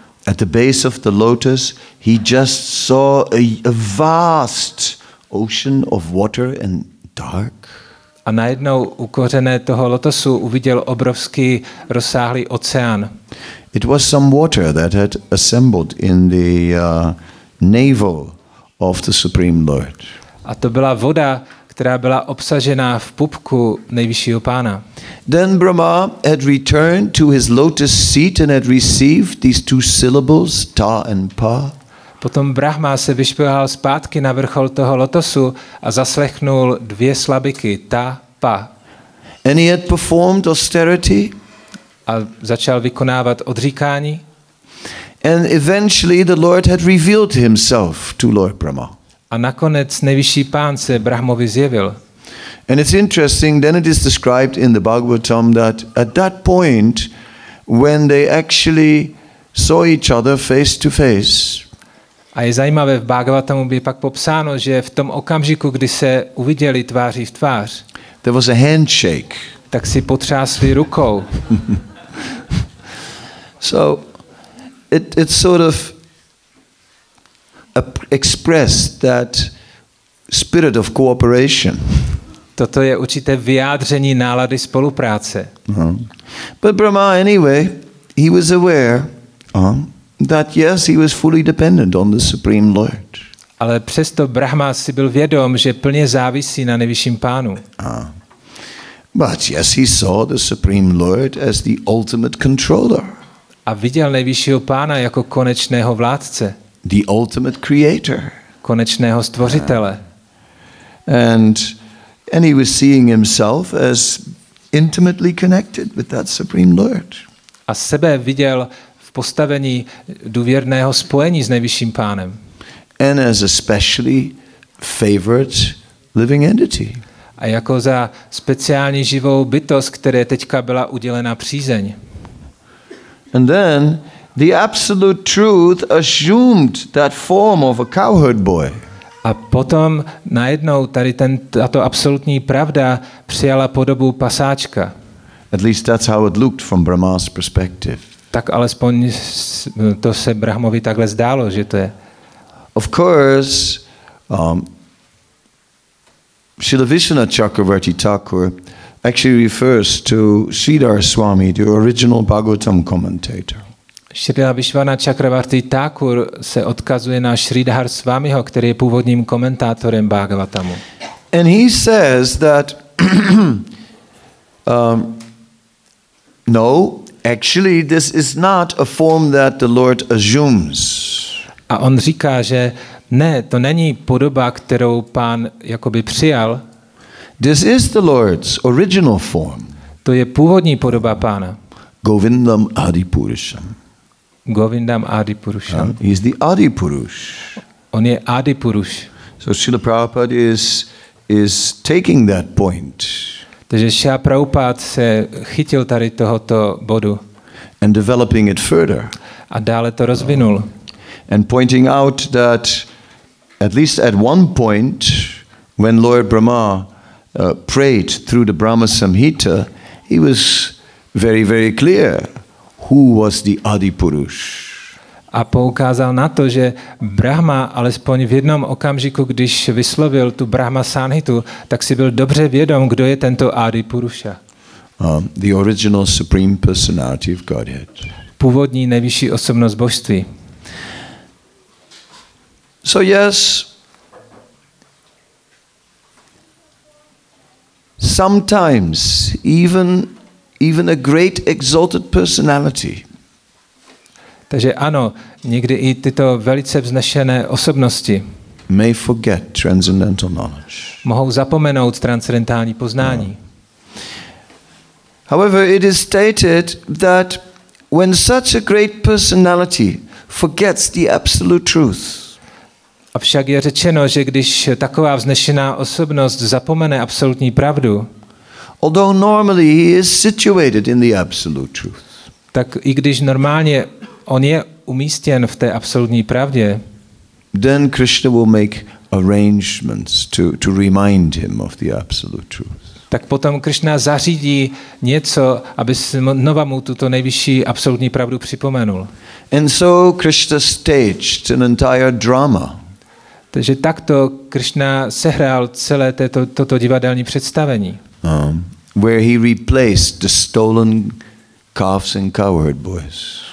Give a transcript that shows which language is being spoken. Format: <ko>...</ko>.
<en>At the base of the lotus, he just saw a vast ocean of water and dark.</en> <cs>A najednou u kořené toho lotosu uviděl obrovský rozsáhlý oceán.</cs> <en>It was some water that had assembled in the navel of the Supreme Lord.</en> <cs>A to byla voda, která byla obsažena v pupku nejvyššího pána.</cs> <en>Then Brahma had returned to his lotus seat and had received these two syllables, ta and pa.</en> <cs>Potom Brahma se vyšplhal zpátky na vrchol toho lotosu a zaslechnul dvě slabiky, ta, pa.</cs> <en>And he had performed austerity.</en> <cs>A začal vykonávat odříkání.</cs> <en>And eventually the Lord had revealed himself to Lord Brahma.</en> <cs>A nakonec nejvyšší pán se Brahmovi zjevil.</cs> <en>And it's interesting, then it is described in the Bhagavatam that at that point when they actually saw each other face to face.</en> <cs>A je zajímavé, v Bhagavatamu by pak popsáno, že v tom okamžiku, kdy se uviděli tváří v tvář,</cs> <en>there was a handshake.</en> <cs>Tak si potřásli rukou.</cs> <en>So it sort of expressed that spirit of cooperation.</en> <cs>Toto je určité vyjádření nálady spolupráce.</cs> <en>But Brahma anyway, he was aware that yes, he was fully dependent on the Supreme Lord.</en> <cs>Ale přesto Brahma si byl vědom, že plně závisí na nejvyšším pánu.</cs> <en>But yes, he saw the Supreme Lord as the ultimate controller.</en> <cs>A viděl nejvyššího pána jako konečného vládce.</cs> <en>The ultimate creator.</en> <cs>Konečného stvořitele.</cs> <en>And he was seeing himself as intimately connected with that Supreme Lord.</en> <cs>A sebe viděl v postavení důvěrného spojení s nejvyšším pánem.</cs> <en>And as a specially favored living entity.</en> <cs>A jako za speciální živou bytost, které teďka byla udělena přízeň.</cs> <en>And then the absolute truth assumed that form of a cowherd boy.</en> <cs>A potom najednou tady tato absolutní pravda přijala podobu pasáčka.</cs> <en>At least that's how it looked from Brahma's perspective.</en> <cs>Tak alespoň to se Brahmovi takhle zdálo, že to je.</cs> <en>Of course, Srila Vishnu Chakravarti Thakur actually refers to Sridhar Swami, the original Bhagavatam commentator.</en> <cs>Srila Vishwana Chakravarti Thakur se odkazuje na Sridhar Swamiho, který je původním komentátorem Bhagavatamu.</cs> <en>And he says that no, actually this is not a form that the Lord assumes.</en> <cs>A on říká, že ne, to není podoba, kterou pán jakoby přijal.</cs> <en>This is the Lord's original form.</en> <cs>To je původní podoba pána.</cs> <sa>Govindam Adipurusham. Govindam Adipurusham.</sa> <en>He is the Adipurus.</en> <cs>On je Adipurus.</cs> <en>So Srila Prabhupada is taking that point.</en> <cs>Takže Srila Prabhupada se chytil tady tohoto bodu.</cs> <en>And developing it further.</en> <cs>A dále to rozvinul.</cs> <en>And pointing out that at least at one point when Lord Brahma prayed through the Brahma Samhita, he was very, very clear who was the Adipurush.</en> <cs>A poukázal na to, že Brahma alespoň v jednom okamžiku, když vyslovil tu Brahma Samhitu, tak si byl dobře vědom, kdo je tento Adipurusha.</cs> <en>The original supreme personality of Godhead.</en> <cs>Původní nejvyšší osobnost božství.</cs> <en>So yes, sometimes even a great exalted personality.</en> <cs>Takže ano, někdy i tyto velice vznešené osobnosti</cs> <en>may forget transcendental knowledge.</en> <cs>Mohou zapomenout transcendentální poznání.</cs> <en>However, it is stated that when such a great personality forgets the absolute truth.</en> <cs>Avšak je řečeno, že když taková vznešená osobnost zapomene absolutní pravdu,</cs> <en>although normally he is situated in the absolute truth,</en> <cs>tak i když normálně on je umístěn v té absolutní pravdě,</cs> <en>then Krishna will make arrangements to remind him of the absolute truth.</en> <cs>Tak potom Krishna zařídí něco, aby znova mu tuto nejvyšší absolutní pravdu připomenul.</cs> <en>And so Krishna staged an entire drama.</en> <cs>Takže takto Krishna sehrál celé toto divadelní představení.</cs> <en>Where he replaced the stolen calves and cowherd boys.</en>